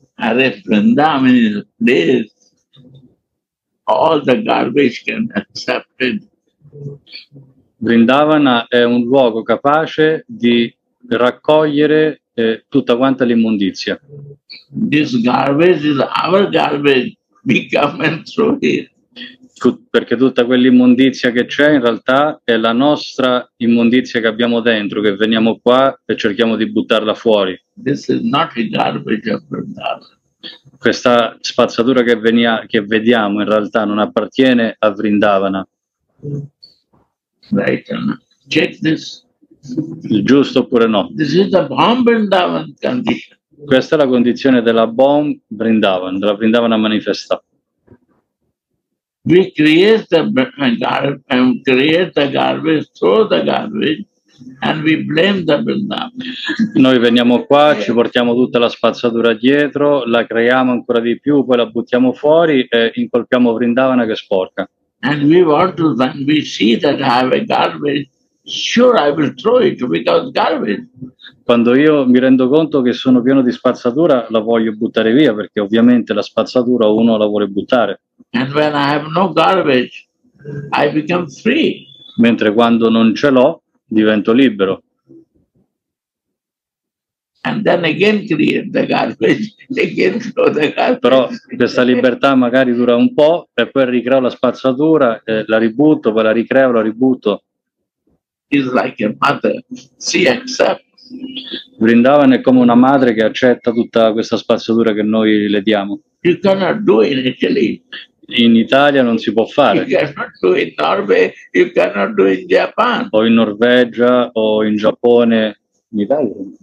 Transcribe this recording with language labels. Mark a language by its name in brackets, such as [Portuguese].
[English] Are Vrindavan is this all the garbage can accept it. [Italian] Vrindavana è un luogo capace di raccogliere tutta quanta l'immondizia. [English] This garbage is our garbage we come and throw it. [Italian] Perché tutta quell'immondizia che c'è in realtà è la nostra immondizia che abbiamo dentro, che veniamo qua e cerchiamo di buttarla fuori. [English] This is not a garbage of Vrindavan. [Italian] Questa spazzatura che vediamo in realtà non appartiene a Vrindavana. [English] Right, check this. [Italian] Giusto oppure no? [English] This is the bomb Vrindavan condition. [Italian] Questa è la condizione della bomb Vrindavan, della Vrindavana manifesta. [English] We create the garbage, throw the garbage, and we blame the Vrindavan. [Italian] Noi veniamo qua, ci portiamo tutta la spazzatura dietro, la creiamo ancora di più, poi la buttiamo fuori e incolpiamo Vrindavana che è sporca. [English] And we want to, when we see that I have a garbage, sure, I will throw it without garbage. [Italian] Quando io mi rendo conto che sono pieno di spazzatura, la voglio buttare via, perché ovviamente la spazzatura uno la vuole buttare. [English] And when I have no garbage, I become free. [Italian] Mentre quando non ce l'ho, divento libero. [English] And then again clear the garbage, again throw the garbage. [Italian] Però questa libertà magari dura un po', e poi ricreo la spazzatura, la ributto, poi la ricreo, la ributto. [English] It's like a mother, she accepts. [Italian] Vrindavan è come una madre che accetta tutta questa spazzatura che noi le diamo. [English] You cannot do it in Italy. [Italian] In Italia non si può fare. [English] You cannot do it in Norway, you cannot do it in Japan. [Italian] O in Norvegia, o in Giappone, in Italia.